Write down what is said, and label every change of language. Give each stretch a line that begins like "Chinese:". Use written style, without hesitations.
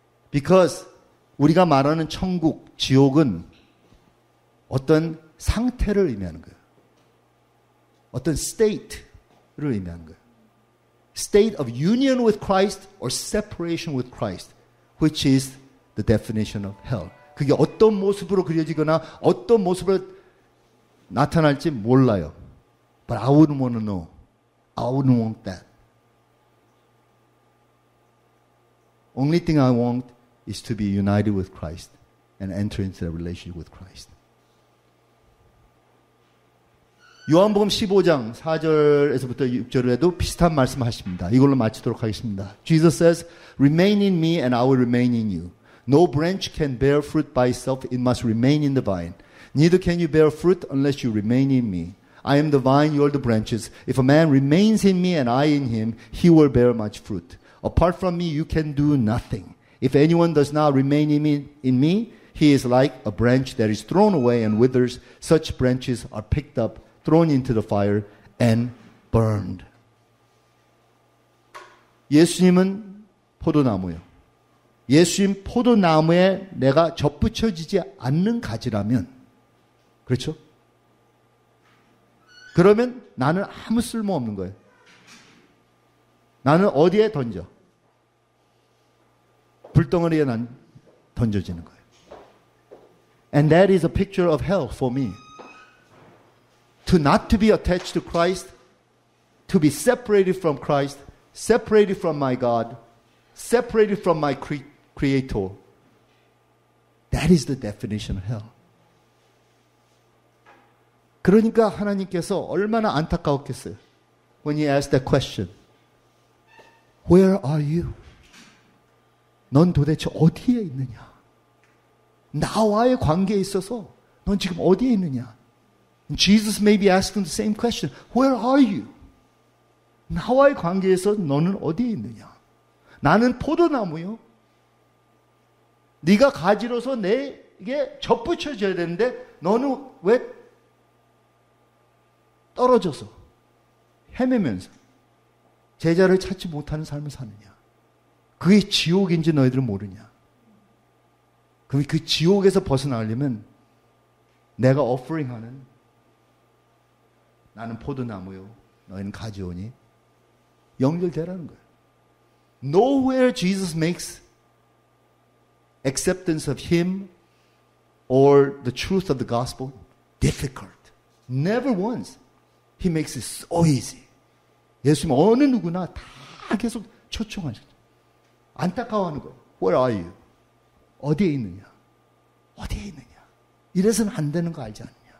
Korean: Because 우리가 말하는 천국, 지옥은 어떤 상태를 의미하는 거예요. 어떤 state. 를 의미한 거예요.
English: State of union with Christ or separation with Christ, which is the definition of hell.
Korean: 그게 어떤 모습으로 그려지거나 어떤 모습으로 나타날지 몰라요.
English: But I wouldn't want to know. I wouldn't want that. Only thing I want is to be united with Christ and enter into a relationship with Christ.
Korean: 요한복음 15장 4절에서부터 6절에도 비슷한 말씀하십니다. 이걸로 마치도록 하겠습니다.
English: Jesus says, Remain in me and I will remain in you. No branch can bear fruit by itself. It must remain in the vine. Neither can you bear fruit unless you remain in me. I am the vine, you are the branches. If a man remains in me and I in him, he will bear much fruit. Apart from me, you can do nothing. If anyone does not remain in me, he is like a branch that is thrown away and withers. Such branches are picked up, thrown into the fire, and burned.
Korean: 예수님은 포도나무요. 예수님 포도나무에 내가 접붙여지지 않는 가지라면, 그렇죠? 그러면 나는 아무 쓸모 없는 거예요. 나는 어디에 던져? 불덩어리에 난 던져지는 거예요.
English: And that is a picture of hell for me. To not to be attached to Christ, to be separated from Christ, separated from my God, separated from my Creator. That is the definition of hell.
Korean: 그러니까 하나님께서 얼마나 안타까웠겠어요.
English: When he asked that question, Where are you?
Korean: 넌 도대체 어디에 있느냐? 나와의 관계에 있어서 넌 지금 어디에 있느냐?
English: Jesus may be asking the same question. Where are you?
Korean: 나와의 관계에서 너는 어디에 있느냐? 나는 포도나무요. 네가 가지로서 내게 접붙여져야 되는데 너는 왜 떨어져서 헤매면서 제자를 찾지 못하는 삶을 사느냐? 그게 지옥인지 너희들은 모르냐? 그럼 그 지옥에서 벗어나려면 내가 오퍼링하는 나는 포도나무요, 너희는 가지오니 연결되라는 거예요.
English: Nowhere Jesus makes acceptance of him or the truth of the gospel difficult. Never once. He makes it so easy.
Korean: 예수님 어느 누구나 다 계속 초청하셨죠. 안타까워하는 거예요.
English: Where are you?
Korean: 어디에 있느냐? 어디에 있느냐? 이래서는 안 되는 거 알지 않느냐?